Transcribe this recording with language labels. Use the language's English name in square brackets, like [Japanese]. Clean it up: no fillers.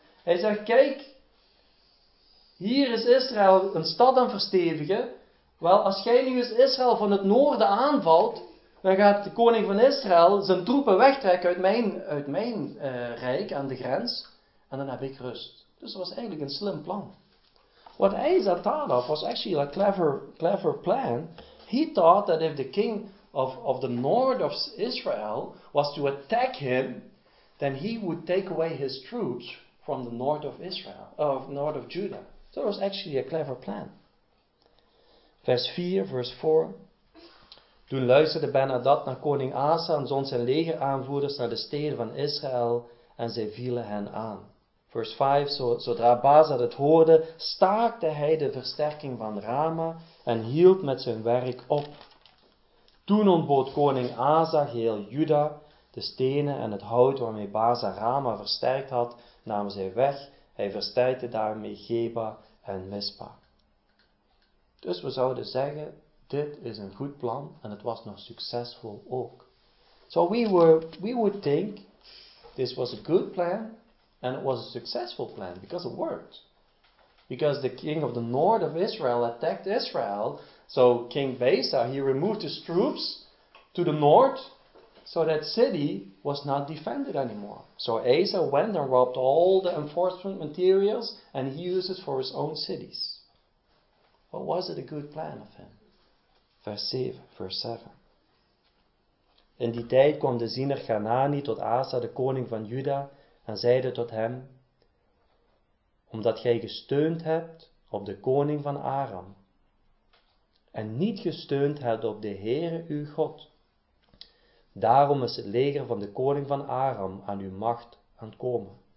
[Dutch] Hij zegt, kijk, hier is Israël een stad aan verstevigen. Wel, als jij nu eens Israël van het noorden aanvalt, dan gaat de koning van Israël zijn troepen wegtrekken uit mijn rijk aan de grens. En dan heb ik rust. Dus dat was eigenlijk een slim plan. [English] What Asa thought of was actually a clever plan. He thought that if the king of the north of Israel was to attack him, then he would take away his troops from the north of Israel, of north of Judah. So it was actually a clever plan. [Dutch] Vers 4. Toen luisterde Ben-Hadad naar koning Asa en zond zijn legeraanvoerders naar de steden van Israël en zij vielen hen aan. Vers 5, zodra Baasa het hoorde, staakte hij de versterking van Rama en hield met zijn werk op. Toen ontbood koning Asa heel Juda de stenen en het hout waarmee Baasa Rama versterkt had, namen zij weg. Hij versterkte daarmee Geba en Mispa. Dus we zouden zeggen, dit is een goed plan en het was nog succesvol ook. [English] So we would think this was a good plan and it was a successful plan because it worked. Because the king of the north of Israel attacked Israel, so King Baasa, he removed his troops to the north, so that city was not defended anymore. So Asa went and robbed all the enforcement materials and he used it for his own cities. But was it a good plan of him? [Dutch] Vers 7. In die tijd kwam de ziener Ganani tot Asa, de koning van Juda, en zeide tot hem, omdat gij gesteund hebt op de koning van Aram, en niet gesteund hebt op de Heere uw God, daarom is het leger van de koning van Aram aan uw macht aan het komen.